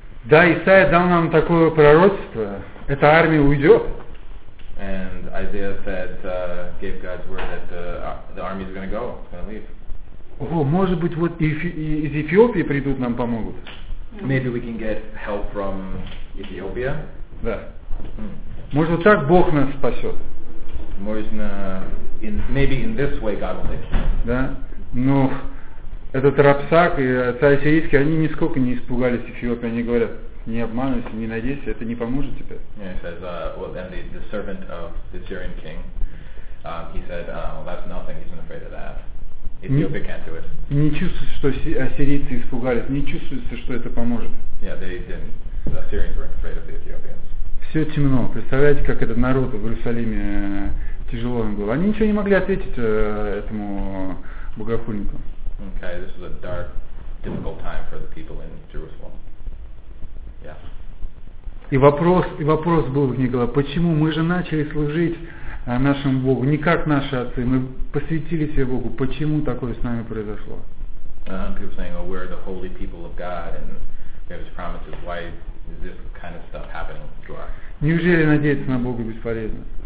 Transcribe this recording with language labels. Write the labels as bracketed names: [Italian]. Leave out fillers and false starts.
[Russian] Да, Исаия дал нам такое пророчество. Эта армия уйдет. [English] And Isaiah said, gave God's word that the army is going to go, it's going to leave. [Russian] Oh, может быть, вот из Эфиопии придут нам помогут. [English] Maybe we can get help from Ethiopia. [Russian] Да. Может, вот так Бог нас спасет. Можно, [English] maybe in this way God will take. [Russian] Да. Но этот Рабсак и царь сирийский, они нисколько не испугались Эфиопии, они говорят. Не обманывайся, не надейся, это не поможет тебе. [English] Yeah, he says, and the servant of the Syrian king, he said, that's nothing, he's not afraid of that. Ethiopia can't do it. [Russian] Не чувствуется, что ассирийцы испугались, не чувствуется, что это поможет. [English] Yeah, they didn't, the Assyrians weren't afraid of the Ethiopians. [Russian] Все темно, представляете, как этот народ в Иерусалиме, тяжело им было. Они ничего не могли ответить этому богохульнику. [English] Okay, this was a dark, difficult time for the people in Jerusalem. [Russian] И вопрос был в них, почему мы же начали служить нашему Богу, не как наши отцы, мы посвятили себе Богу, почему такое с нами произошло? [English] People saying, oh, we're the holy people of God, and we have his promises. Why is this kind of stuff happening to us? [Russian] Неужели надеяться на Бога бесполезно?